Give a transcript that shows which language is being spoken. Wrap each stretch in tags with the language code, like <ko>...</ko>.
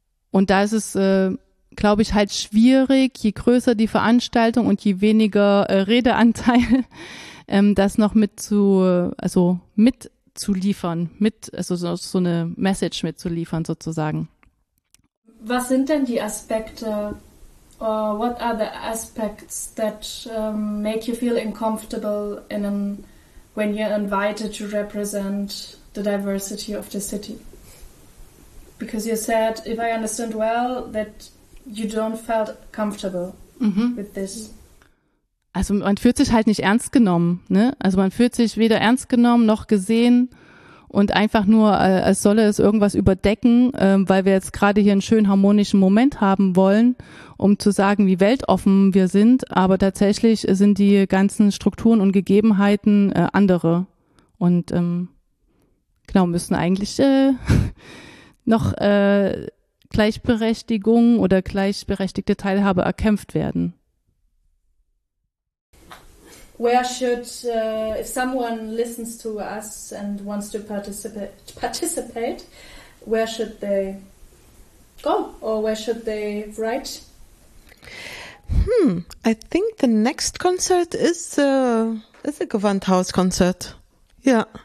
<de>Und da ist es, glaube ich, halt schwierig, je größer die Veranstaltung und je weniger Redeanteil, das noch so eine Message mitzuliefern sozusagen. Was sind denn die Aspekte,</de> <en>what are the aspects that make you feel uncomfortable when you're invited to represent the diversity of the city? Because you said, if I understand well, that you don't felt comfortable with this.</en> <de>Also man fühlt sich halt nicht ernst genommen, ne? Also man fühlt sich weder ernst genommen noch gesehen. Und einfach nur, als solle es irgendwas überdecken, weil wir jetzt gerade hier einen schönen harmonischen Moment haben wollen, um zu sagen, wie weltoffen wir sind. Aber tatsächlich sind die ganzen Strukturen und Gegebenheiten andere. Und genau, müssen eigentlich noch Gleichberechtigung oder gleichberechtigte Teilhabe erkämpft werden.</de> <en>Where should, if someone listens to us and wants to participate, where should they go or where should they write? I think the next concert is a Gewandhaus concert. Yeah.</en>